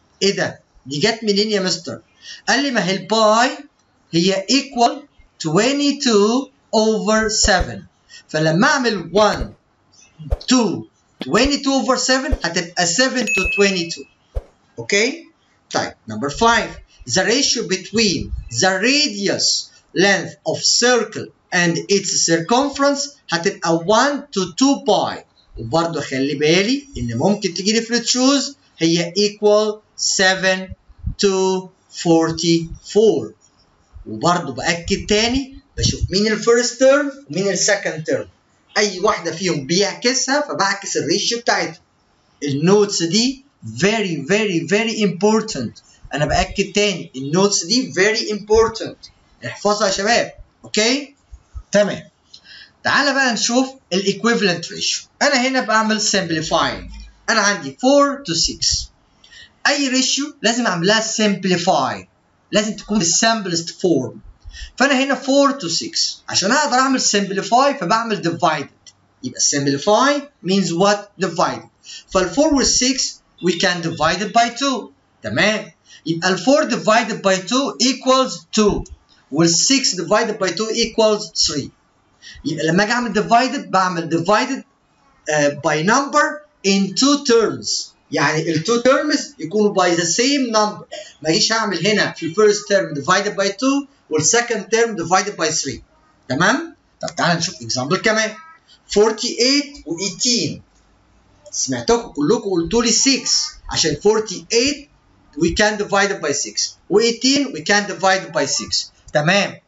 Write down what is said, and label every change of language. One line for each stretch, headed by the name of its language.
Arabic: ايه ده؟ دي جت منين يا مستر؟ قال لي ما هي الباي هي ايكوال 22 over 7، فلما اعمل 1 2 22 over 7 هتبقى 7 to 22. اوكي.
English: Type number 5, the ratio between the radius length of circle and its circumference هتبقى 1 to 2 pi.
Arabic: وبرضو خلي بالي ان ممكن تجي لي في التشوز هي equal 7 to 44. وبرضو بأكد تاني بشوف مين الفيرست تيرم ومين السكند تيرم، اي واحدة فيهم بيعكسها فبعكس الريشيو بتاعتها. النوتس دي
English: very very very important.
Arabic: انا باكد تاني النوتس دي
English: very important،
Arabic: احفظها يا شباب. اوكي تمام. تعال بقى نشوف الايكويفالنت ريشيو. انا هنا بعمل سمبليفاينج، انا عندي 4 to 6. اي ريشيو لازم اعملها سمبليفاي، لازم تكون السمبلست فورم. فانا هنا 4 to 6 عشان اقدر اعمل سمبليفاي فبعمل ديفايدد، يبقى سمبليفاي مينز وات؟ ديفايدد.
English: فال4 وال6 we can divide it by 2.
Arabic: تمام.
English: يبقى ال 4 divided by 2 equals 2 وال 6 divided by 2 equals 3.
Arabic: يبقى لما اجي اعمل divided بعمل
English: divided by number in two terms.
Arabic: يعني التو تيرمز يكونوا باي ذا سيم نمبر. ما اجيش اعمل هنا في الفيرست تيرم ديفايدد باي 2 والسكند تيرم ديفايدد باي 3. تمام. طب تعال نشوف اكزامبل كمان. 48 و18 سمعتكم كلكم قلتوا لي 6 عشان 48 وي كان ديفايد باي 6 و18 وي كان ديفايد باي 6. تمام.